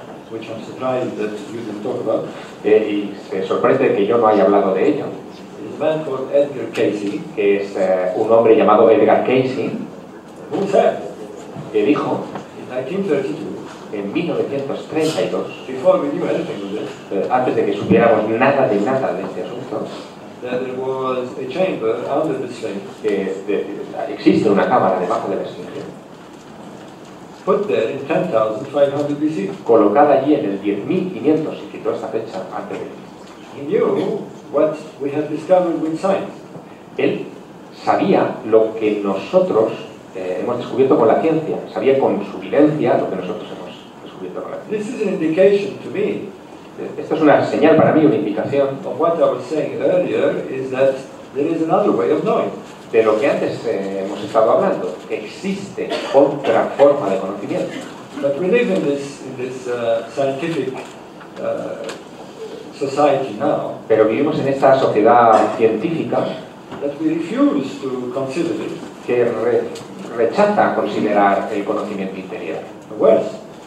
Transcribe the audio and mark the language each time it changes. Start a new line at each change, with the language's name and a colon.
English: Which I'm surprised that you didn't talk about.
Spanish: Y se sorprende que yo no haya hablado de ello.
English: It's a man called Edgar Cayce,
Spanish: que es un hombre llamado Edgar Cayce,
English: who said,
Spanish: que dijo,
English: in 1932,
Spanish: en 1932,
English: before we knew anything of this,
Spanish: antes de que supiéramos nada de nada de este asunto,
English: that there was a chamber under the sphinx,
Spanish: que existe una cámara debajo de la esfinge.
English: Put there in 10,500 BC.
Spanish: Colocada allí en el 10,500, y quitó esta fecha antes de Cristo.
English: He knew what we had discovered with science.
Spanish: Él sabía lo que nosotros hemos descubierto con la ciencia. Sabía con su evidencia lo que nosotros hemos descubierto con la ciencia.
English: This is an indication to me.
Spanish: Esto es una señal para mí, una indicación.
English: Of what I was saying earlier is that there is another way of knowing.
Spanish: De lo que antes hemos estado hablando, existe otra forma de conocimiento.
English: But we live in this scientific society now.
Spanish: Pero vivimos en esta sociedad científica
English: that we refuse to consider it.
Spanish: Que rechaza considerar el conocimiento interior.
English: Worse.